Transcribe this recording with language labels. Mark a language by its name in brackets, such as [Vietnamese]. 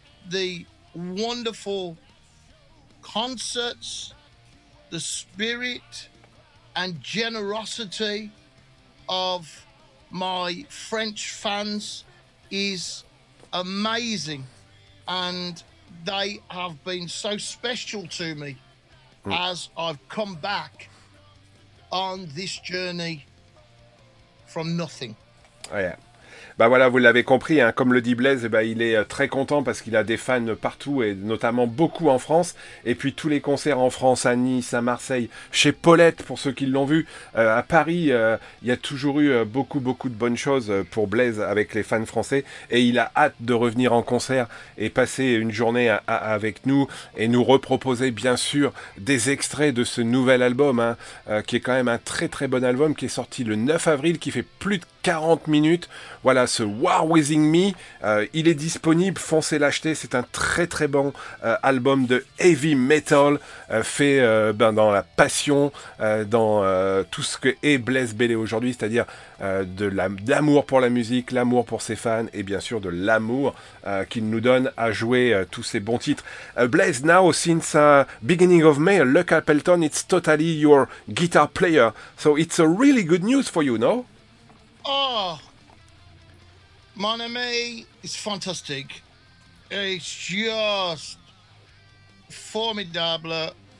[English] The wonderful concerts, the spirit and generosity of my French fans is amazing, and they have been so special to me as I've come back on this journey from nothing. Oh yeah. [French] Voilà, vous l'avez compris, hein. Comme le dit Blaise, il est très content parce qu'il a des fans partout et notamment beaucoup en France. Et puis tous les concerts en France, à Nice, à Marseille, chez Paulette, pour ceux qui l'ont vu, à Paris, il y a toujours eu beaucoup, beaucoup de bonnes choses pour Blaise avec les fans français. Et il a hâte de revenir en concert et passer une journée avec nous et nous reproposer, bien sûr, des extraits de ce nouvel album, hein, qui est quand même un très, très bon album, qui est sorti le 9 avril, qui fait plus de 40 minutes. Voilà, ce War Within Me, il est disponible, foncez l'acheter, c'est un très très bon album de heavy metal, fait dans la passion, dans tout ce que est Blaise Bellet aujourd'hui, c'est-à-dire d'amour pour la musique, l'amour pour ses fans, et bien sûr de l'amour qu'il nous donne à jouer tous ces bons titres. [English] Blaise, now, since beginning of May, Luke Appleton, it's totally your guitar player, so it's a really good news for you, no? [French] Oh, mon ami, [English] it's fantastic. It's just formidable.